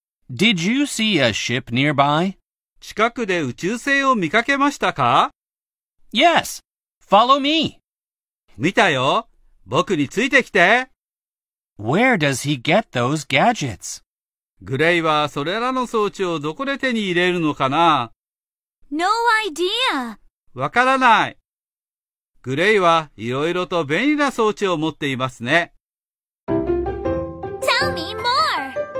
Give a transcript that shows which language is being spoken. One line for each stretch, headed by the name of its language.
English: Did you see a ship nearby?
Japanese: 近くで宇宙船を見かけましたか?
English: Yes, follow me.
Japanese: 見たよ。僕についてきて。
English: Where does he get those gadgets?
Japanese: グレイはそれらの装置をどこで手に入れるのかな?
English: No idea.
Japanese: わからない。グレイはいろいろと便利な装置を持っていますね。
English: Tell me more.